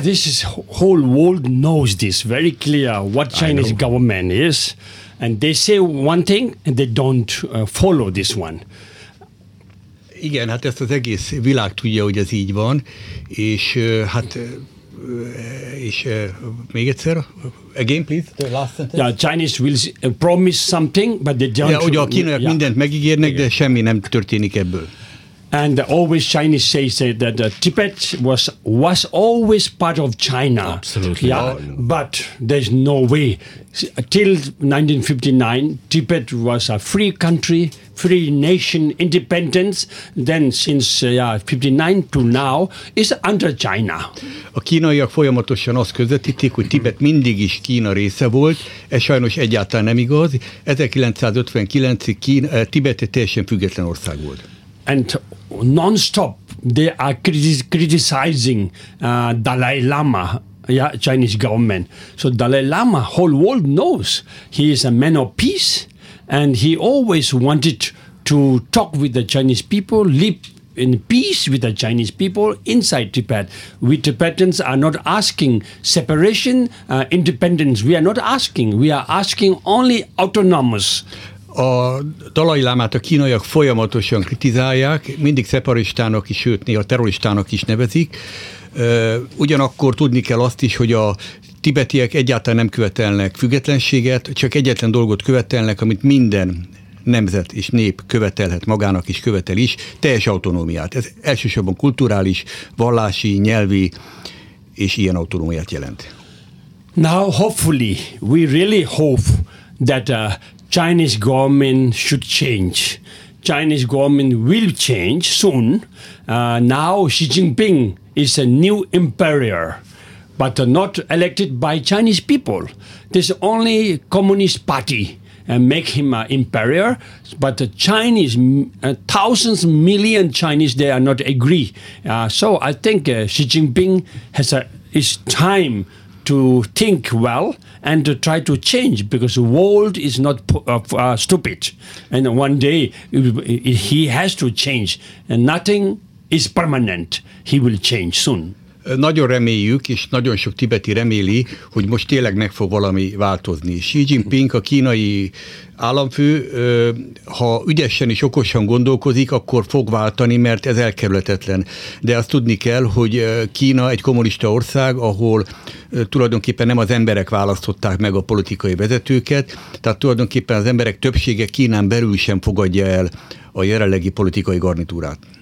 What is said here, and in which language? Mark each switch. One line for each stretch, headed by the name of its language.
English: this is whole world knows this very clear what Chinese government is, and they say one thing and they don't follow this one.
Hungarian: Igen, hát ezt az egész világ tudja, hogy ez így van, és hát és még egyszer,
English: again please, the last sentence. Yeah, Chinese will promise something, but they don't.
Hungarian: Yeah, ugye a kínaiak mindent megígérnek, de semmi nem történik ebből.
English: And always Chinese say that Tibet was always part of China. Absolutely. Yeah, but there's no way. See, till 1959, Tibet was a free country, free nation, independence. Then since 59 to now, it's under China.
Hungarian: A kínaiak folyamatosan azt közvetítik, hogy Tibet mindig is Kína része volt. Ez sajnos egyáltalán nem igaz. 1959-ig Tibet egy teljesen független ország volt.
English: And non-stop they are criticizing Dalai Lama, Chinese government. So Dalai Lama, whole world knows he is a man of peace, and he always wanted to talk with the Chinese people, live in peace with the Chinese people inside Tibet. We Tibetans are not asking separation, independence. We are not asking. We are asking only autonomous.
Hungarian: A Dalai Lámát a kínaiak folyamatosan kritizálják, mindig szeparistának is, sőt néha terroristának is nevezik. Ugyanakkor tudni kell azt is, hogy a tibetiek egyáltalán nem követelnek függetlenséget, csak egyetlen dolgot követelnek, amit minden nemzet és nép követelhet magának is, követel is, teljes autonómiát. Ez elsősorban kulturális, vallási, nyelvi és ilyen autonómiát jelent.
English: Now hopefully, we really hope that Chinese government should change. Chinese government will change soon. Now Xi Jinping is a new emperor, but not elected by Chinese people. This only Communist Party and make him an emperor, but the Chinese, thousands, million Chinese, they are not agree. So I think Xi Jinping has is time to think well and to try to change, because the world is not stupid. And one day he has to change, and nothing is permanent. He will change soon.
Hungarian: Nagyon reméljük, és nagyon sok tibeti reméli, hogy most tényleg meg fog valami változni. Xi Jinping, a kínai államfő, ha ügyesen és okosan gondolkozik, akkor fog váltani, mert ez elkerülhetetlen. De azt tudni kell, hogy Kína egy kommunista ország, ahol tulajdonképpen nem az emberek választották meg a politikai vezetőket, tehát tulajdonképpen az emberek többsége Kínán belül sem fogadja el a jelenlegi politikai garnitúrát.